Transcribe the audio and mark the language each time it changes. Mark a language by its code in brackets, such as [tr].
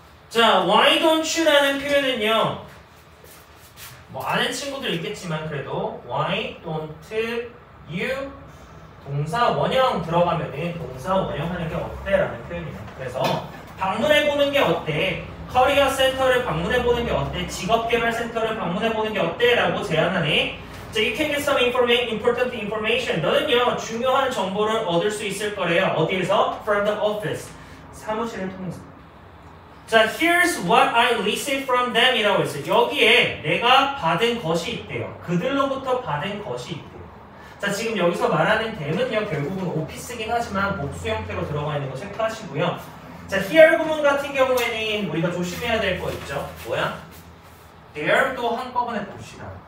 [ko] 자, [en] why don't you [ko] 라는 표현은요, 뭐 아는 친구들 있겠지만 그래도 why don't you 동사 원형 들어가면 동사 원형 하는 게 어때? 라는 표현이에요. 그래서 방문해보는 게 어때? 커리어 센터를 방문해보는 게 어때? 직업개발 센터를 방문해보는 게 어때? 라고 제안하네. [en] So you can get some important information. [ko] 너는요, 중요한 정보를 얻을 수 있을 거래요. 어디에서? [en] From the office. [ko] 사무실을 통해서. [en] So here's what I received from them [ko] 이라고 했어요. 여기에 내가 받은 것이 있대요. 그들로부터 받은 것이 있대요. 자, 지금 여기서 말하는 them은요, 결국은 오피스긴 하지만 복수 형태로 들어가 있는 거 체크하시고요. 자, here 부분 같은 경우에는 우리가 조심해야 될 거 있죠? 뭐야? there도 한꺼번에 봅시다.